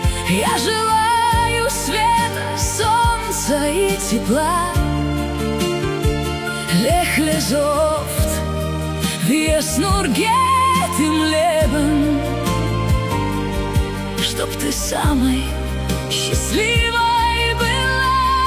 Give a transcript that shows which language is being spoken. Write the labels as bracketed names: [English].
[Russian] Я желаю света, солнца и тепла. [German] Lächle so oft, wie es nur geht im Leben. [Russian] Чтоб ты самой счастливой была.